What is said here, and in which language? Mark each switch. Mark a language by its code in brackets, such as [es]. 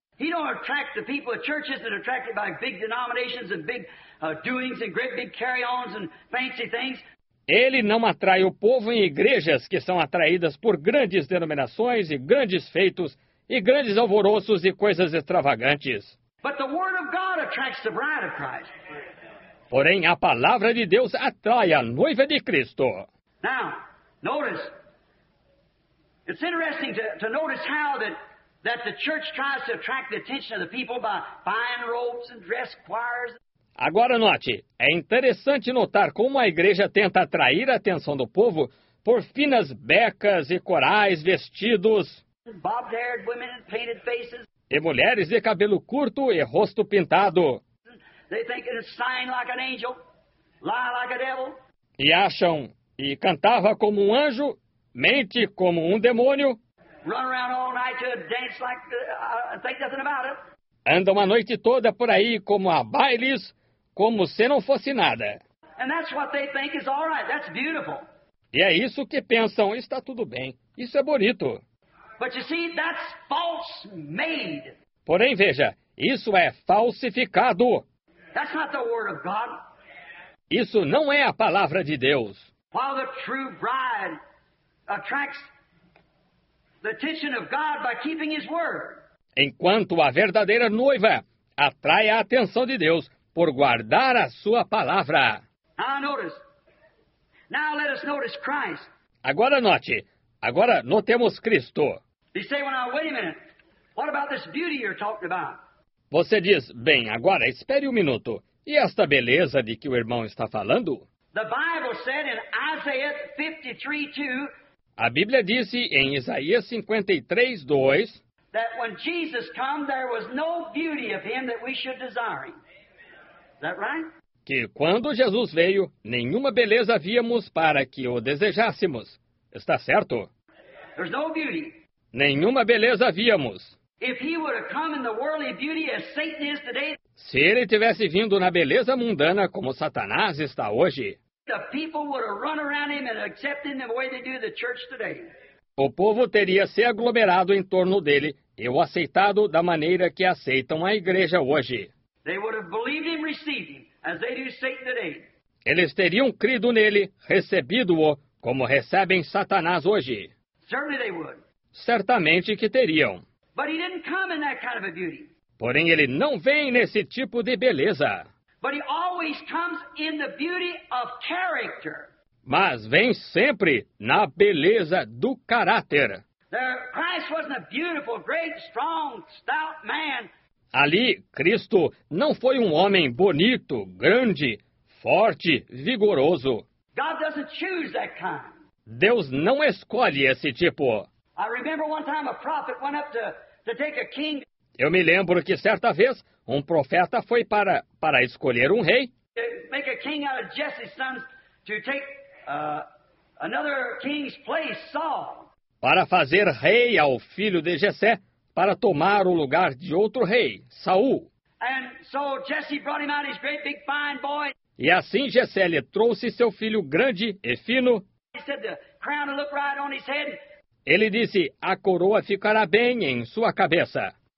[en] He don't attract the people of churches that are attracted by big denominations and big doings and great big carry-ons and fancy things. [pt] Ele não atrai o povo em igrejas que são atraídas por grandes denominações e grandes feitos e grandes alvoroços e coisas extravagantes. [en] But the word of God attracts the bride of Christ. [pt] Porém, a palavra de Deus atrai a noiva de Cristo. [en] Now, notice. It's interesting to notice how that the church tries to attract the attention of the people by buying robes and dress choirs. [pt] Agora note, é interessante notar como a igreja tenta atrair a atenção do povo por finas becas e corais, vestidos, [en] bob-haired women and painted faces, [pt] e mulheres de cabelo curto e rosto pintado. [en] They think it's sighing like an angel, lie like a devil. [pt] E acham, e cantava como um anjo, mente como um demônio. [en] Run around all night to dance like and think nothing about it. [pt] Andam a noite toda por aí como a bailes, como se não fosse nada. [en] And that's what they think is all right. That's beautiful. [pt] E é isso que pensam. Está tudo bem. Isso é bonito. [en] But you see, that's false made. [pt] Porém, veja, isso é falsificado. [en] That's not the word of God. [pt] Isso não é a palavra de Deus. [en] While the true bride attracts the attention of God by keeping his word. [pt] Enquanto a verdadeira noiva atrai a atenção de Deus por guardar a sua palavra. [en] Now notice. Now let us notice Christ. [pt] Agora note. Agora notemos Cristo. [en] You say, well, now, wait a minute. What about this beauty you're talking about? [pt] Você diz, bem, agora espere um minuto. E esta beleza de que o irmão está falando? [en] The Bible said in Isaiah 53:2. [pt] A Bíblia disse em Isaías 53:2. [en] That when Jesus came, there was no beauty of him that we should desire. Is that right? [pt] Que quando Jesus veio, nenhuma beleza havíamos para que o desejássemos. Está certo? [en] There's no beauty. [pt] Nenhuma beleza havíamos. [en] If he would have come in the worldly beauty as Satan is today, [pt] se ele tivesse vindo na beleza mundana como Satanás está hoje, [en] the people would have run around him and accepted him the way they do the church today. [pt] O povo teria se aglomerado em torno dele e o aceitado da maneira que aceitam a igreja hoje. [en] They would have believed him, received him, as they do Satan today. [pt] Eles teriam crido nele, recebido-o, como recebem Satanás hoje. [en] Certainly they would. [pt] Certamente que teriam. [en] But he didn't come in that kind of a beauty. [pt] Porém, ele não vem nesse tipo de beleza. [en] But he always comes in the beauty of character. [pt] Mas vem sempre na beleza do caráter. [en] Christ wasn't a beautiful, great, strong, stout man. [pt] Ali, Cristo não foi um homem bonito, grande, forte, vigoroso. [en] God doesn't choose that kind. [pt] Deus não escolhe esse tipo. [en] I remember one time a prophet went up to take a king. [pt] Eu me lembro que certa vez um profeta foi para escolher um rei. [en] to make a king out of Jesse's sons to take another king's place, Saul. [pt] Para fazer rei ao filho de Jessé, para tomar o lugar de outro rei, Saul. [en] And so Jesse brought him out his great big fine boy. [pt] E assim Jessé lhe trouxe seu filho grande e fino. [en] He said the crown will look right on his head. [pt] Ele disse, a coroa ficará bem em sua cabeça.